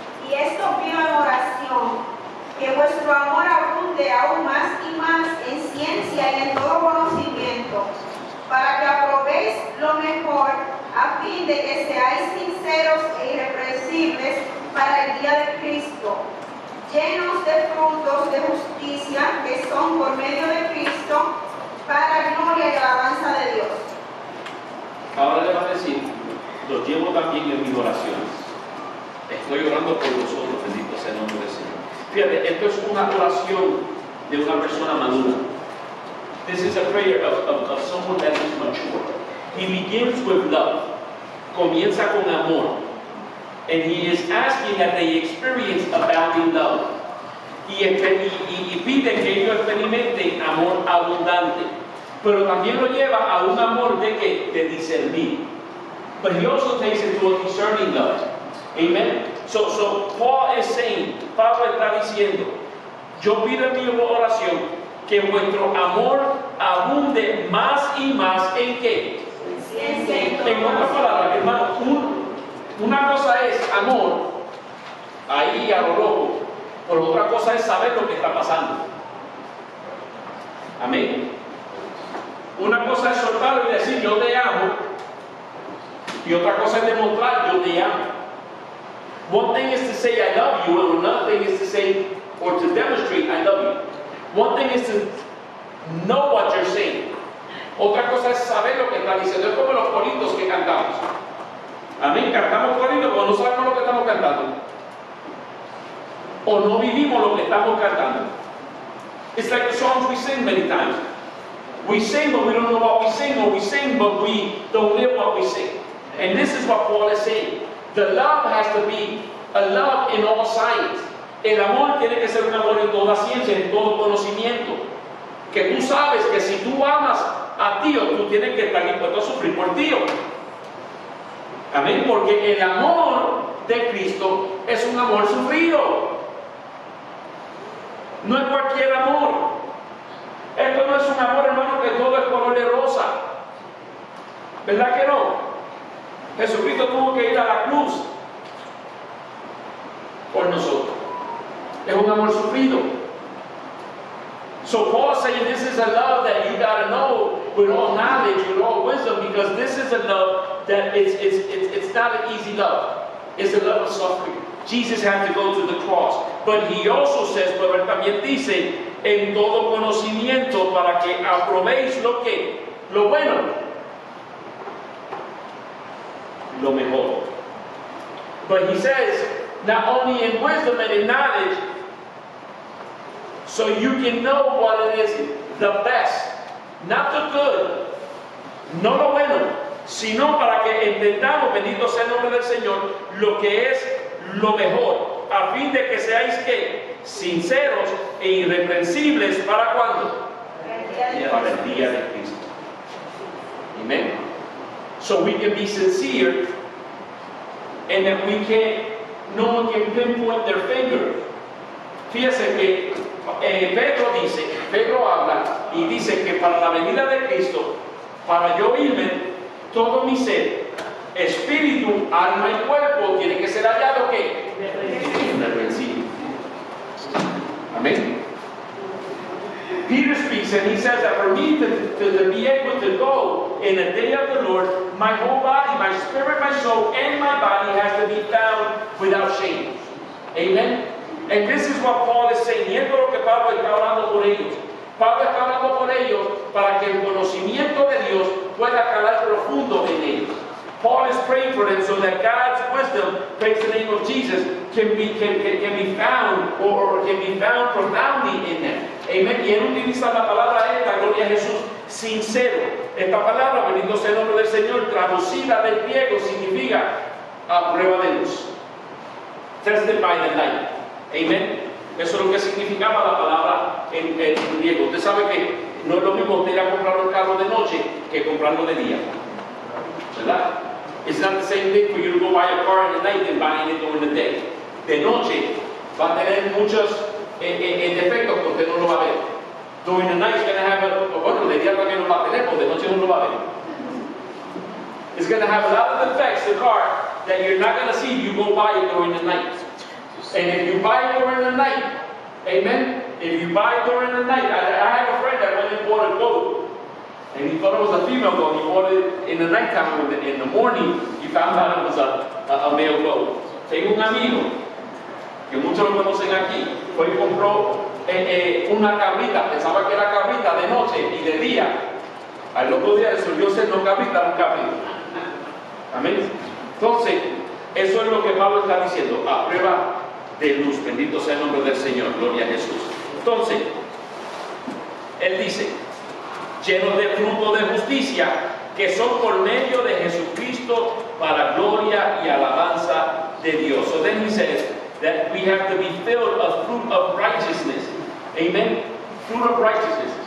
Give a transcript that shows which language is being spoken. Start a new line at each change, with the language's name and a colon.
Spanish: Y esto pido en oración, que vuestro amor abunde aún más y más en ciencia y en todo conocimiento, para que aprobéis lo mejor, a fin de que seáis sinceros e irreprensibles para el día de Cristo, llenos de frutos de justicia que son por medio de Cristo para gloria y alabanza de Dios. Ahora le va a decir, los llevo también en mis oraciones. Estoy orando por vosotros, bendito sea el nombre del Señor. Fíjate, esto es una oración de una persona madura.
English: This is a prayer of someone that is mature. He begins with love.
Spanish: Comienza con amor.
English: And he is asking that they experience abounding love.
Spanish: Y pide que ellos experimenten amor abundante. Pero también lo lleva a un amor de que de discernir.
English: But he also takes it to a discerning love. Amen. So Paul is saying,
Spanish: Pablo está diciendo, yo pido en mi oración que vuestro amor abunde más y más en qué. En otras palabras, hermano, una cosa es amor, ahí a lo loco, pero otra cosa es saber lo que está pasando. Amén. Una cosa es soltarlo y decir yo te amo, y otra cosa es demostrar yo te amo.
English: One thing is to say I love you, and another thing is to say or to demonstrate I love you. One thing is to know what you're saying,
Spanish: Otra cosa es saber lo que está diciendo. Es como los coritos que cantamos. Amén. Cantamos coritos pero no sabemos lo que estamos cantando. O no vivimos lo que estamos cantando.
English: It's like the songs we sing many times. We sing, but we don't know what we sing, or we sing, but we don't live what we sing. And this is what Paul is saying. The love has to be a love in all science.
Spanish: El amor tiene que ser un amor en toda ciencia, en todo conocimiento. Que tú sabes que si tú amas a Dios, tú tienes que estar dispuesto a sufrir por Dios. Amén. Porque el amor de Cristo es un amor sufrido. No es cualquier amor. Esto no es un amor, hermano, que todo es color de rosa. ¿Verdad que no? Jesucristo tuvo que ir a la cruz por nosotros. Es un amor sufrido.
English: So Paul saying this is a love that you gotta know with all knowledge, with all wisdom, because this is a love that it's not an easy love. It's a love of suffering. Jesus had to go to the cross. But he also says,
Spanish: pero él también dice, en todo conocimiento para que aprobéis lo que, lo bueno, lo mejor.
English: But he says, not only in wisdom and in knowledge, so you can know what it is, the best, not the good,
Spanish: no lo bueno, sino para que entendamos, bendito sea el nombre del Señor, lo que es lo mejor, a fin de que seáis que sinceros e irreprensibles, ¿para cuándo? Para el día de Cristo. Amen.
English: So we can be sincere, and then we can, no one can pinpoint their finger.
Spanish: Fíjense que Pedro dice, Pedro habla y dice que para la venida de Cristo, para yo irme, todo mi ser, espíritu, alma y cuerpo, tiene que ser hallado que irreprensible. Amén.
English: Peter speaks and he says that for me to be able to go in the day of the Lord, my whole body, my spirit, my soul, and my body has to be found without shame. Amen. And this is what Paul is saying.
Spanish: Y esto es lo que Pablo está hablando por ellos. Pablo está hablando por ellos para que el conocimiento de Dios pueda calar profundo en ellos.
English: Paul is praying for them so that God's wisdom, praise the name of Jesus, can be found or can be found profoundly in them. Amen.
Spanish: Y él utiliza la palabra esta, gloria a Jesús, sincero. Esta palabra, bendito sea el nombre del Señor, traducida del griego, significa a prueba de luz.
English: Tested by the light. Amen.
Spanish: Eso es lo que significaba la palabra en griego. Usted sabe que no es lo mismo ir a comprar un carro de noche que comprarlo de día. ¿Verdad?
English: It's not the same thing for you to go buy a car in the night than buying it during the day.
Spanish: De noche va a tener muchos defectos que usted no lo va a ver.
English: During the night, it's going to have a.
Spanish: Bueno, de día también no lo va a tener, pero de noche no lo va a ver.
English: It's going to have a lot of defects, the car, that you're not going to see if you go buy it during the night. And if you buy it during the night, amen? If you buy it during the night, I had a friend that went and bought a boat. And he thought it was a female boat. He bought it in the nighttime. In the morning, he found out it was a male boat.
Spanish: Tengo un amigo, que muchos lo conocen aquí, fue y compró una cabrita. Pensaba que era cabrita de noche y de día. Al otro día resolvió ser no cabrita, un cabrito. Amén. Entonces, eso es lo que Pablo está diciendo. A prueba de luz. Bendito sea el nombre del Señor. Gloria a Jesús. Entonces, él dice, lleno de fruto de justicia, que son por medio de Jesucristo para gloria y alabanza de Dios.
English: So then he says that we have to be filled of fruit of righteousness. Amen. Fruit of righteousness.